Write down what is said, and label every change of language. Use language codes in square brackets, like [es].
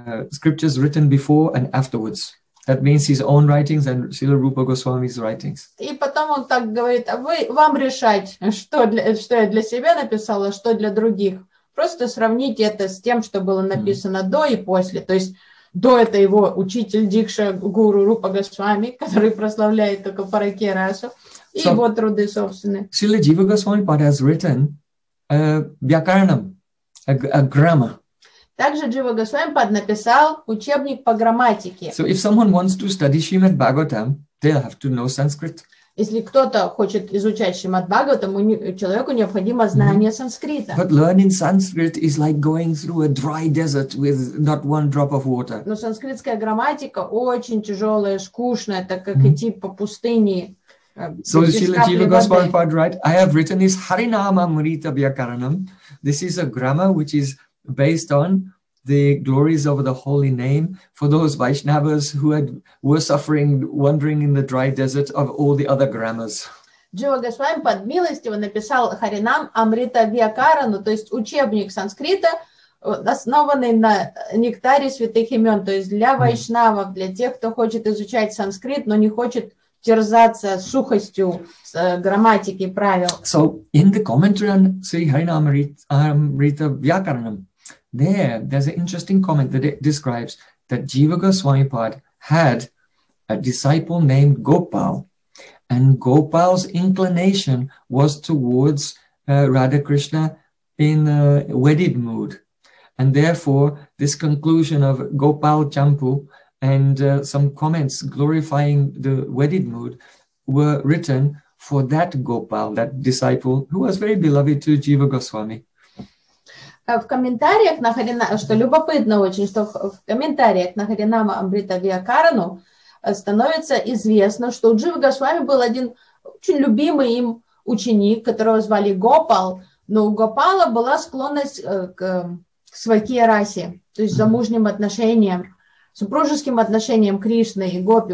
[en] scriptures written before and afterwards. That means his own writings and Srila Rupa Goswami's writings. [ru] И потом он так говорит: а вы вам решать, что я для себя написала, что для других. Просто сравните это с тем, что было написано до и после. То есть до это его учитель Дикша Гуру Рупа Госвами, который прославляет только Паракерасу, и его труды собственные. [en] Srila Jiva Goswami has written Vyakaranam, a grammar. [ru] Также Джива Госвамипад написал учебник по грамматике. [en] So if someone wants to study Shrimad Bhagavatam, they'll have to know Sanskrit. [ru] Если кто-то хочет изучать Шримад Бхагаватам, человеку необходимо знание санскрита. [en] But learning Sanskrit is like going through a dry desert with not one drop of water. [ru] Но санскритская грамматика очень тяжелая, скучная, так как идти по пустыне. [en] So Srila Jiva Goswamipad write, I have written his Harinama Amrita Vyakaranam. This is a grammar which is based on the glories of the holy name for those Vaishnavas who were suffering, wandering in the dry desert of all the other grammars. [ru] Джива Госвамипад милостиво написал Харинам Амрита Вьякарану, то есть учебник санскрита, основанный на нектаре святых имен, то есть для вайшнавов, для тех, кто хочет изучать санскрит, но не хочет терзаться сухостью грамматики правил. [en] So in the commentary on Sri Harinam Amrita Vyakaranam, there's an interesting comment that it describes that Jiva Goswamipad had a disciple named Gopal, and Gopal's inclination was towards Radha Krishna in a wedded mood, and therefore this conclusion of Gopal Champu and some comments glorifying the wedded mood were written for that Gopal, that disciple who was very beloved to Jiva Goswami. [ru] В комментариях на Харинама, что любопытно очень, что в комментариях на Харинама Амрита Вьякарану становится известно, что у Джива Госвами был один очень любимый им ученик, которого звали Гопал, но у Гопала была склонность к свакья расе, то есть замужним отношениям, супружеским отношениям Кришны и Гопи.